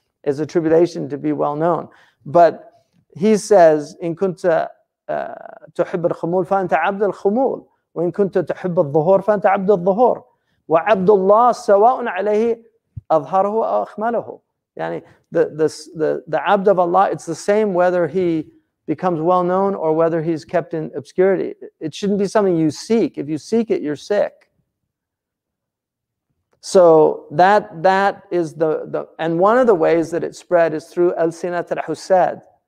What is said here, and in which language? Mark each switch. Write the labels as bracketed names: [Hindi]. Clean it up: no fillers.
[English] It's a tribulation to be well known. [Arabic] But he says, إن كنت تحب الخمول فأنت عبد الخمول وإن كنت تحب الظهور فأنت عبد الظهور وعبد الله سواء عليه أظهره أو أخمله. [English] يعني the عبد of Allah, it's the same whether he becomes well known or whether he's kept in obscurity. It shouldn't be something you seek. If you seek it, you're sick. So that is the and one of the ways that it spread is through al-sinat al-husad.